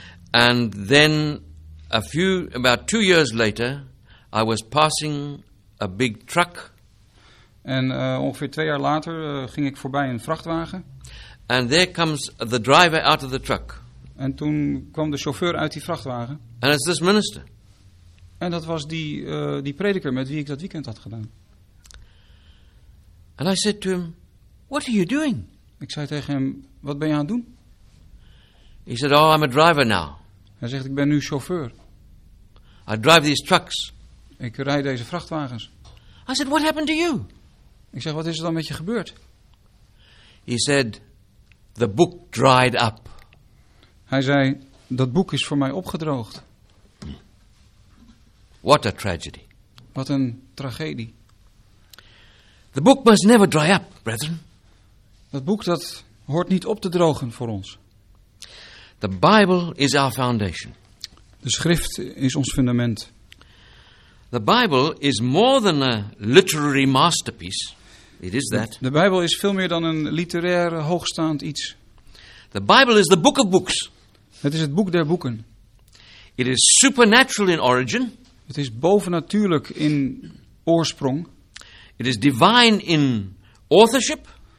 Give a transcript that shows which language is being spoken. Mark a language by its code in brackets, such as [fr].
[en] And then about 2 years later, I was passing a big truck. [nl] En ongeveer 2 jaar later ging ik voorbij een vrachtwagen. [en] And there comes the driver out of the truck. [nl] En toen kwam de chauffeur uit die vrachtwagen. [en] And it's this minister. [nl] En dat was die prediker met wie ik dat weekend had gedaan. [en] And I said to him, what are you doing? [nl] Ik zei tegen hem, wat ben je aan het doen? [en] He said, oh, I'm a driver now. [nl] Hij zegt, ik ben nu chauffeur. [en] I drive these trucks. [nl] Ik rijd deze vrachtwagens. [en] I said, what happened to you? [nl] Ik zeg, wat is er dan met je gebeurd? [en] He said, the book dried up. [nl] Hij zei, dat boek is voor mij opgedroogd. [en] What a tragedy. [nl] Wat een tragedie. [en] The book must never dry up, brethren. [nl] Dat boek dat hoort niet op te drogen voor ons. [en] The Bible is our foundation. [nl] De schrift is ons fundament. [en] The Bible is more than a literary masterpiece. It is that. [nl] De Bijbel is veel meer dan een literair hoogstaand iets. [en] The Bible is the book of books. [nl] Het is het boek der boeken. [en] It is supernatural in origin. [nl] Het is bovennatuurlijk in oorsprong. [en] It is divine in authorship.